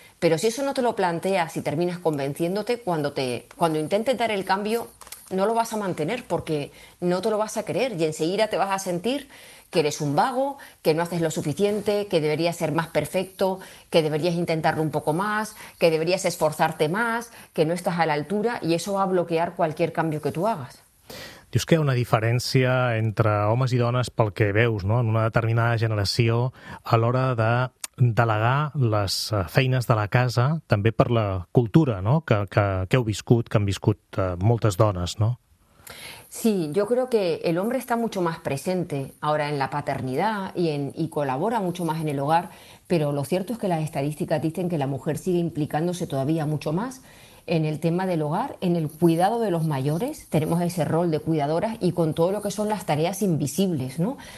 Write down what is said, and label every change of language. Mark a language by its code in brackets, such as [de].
[es] Pero si eso no te lo planteas y terminas convenciéndote, cuando intentes dar el cambio, no lo vas a mantener porque no te lo vas a creer y enseguida te vas a sentir que eres un vago, que no haces lo suficiente, que deberías ser más perfecto, que deberías intentarlo un poco más, que deberías esforzarte más, que no estás a la altura, y eso va a bloquear cualquier cambio que tú hagas. [ca] Dius que hi ha una diferència entre homes i dones pel que veus, no?, en una determinada generació a l'hora de delegar les feines de la casa, també per la cultura, no?, que heu viscut, que han viscut moltes dones, no? [es] Sí, yo creo que el hombre está mucho más presente ahora en la paternidad y colabora mucho más en el hogar, pero lo cierto es que las estadísticas dicen que la mujer sigue implicándose todavía mucho más en el tema del hogar, en el cuidado de los mayores. Tenemos ese rol de cuidadoras y con todo lo que son las tareas invisibles, ¿no?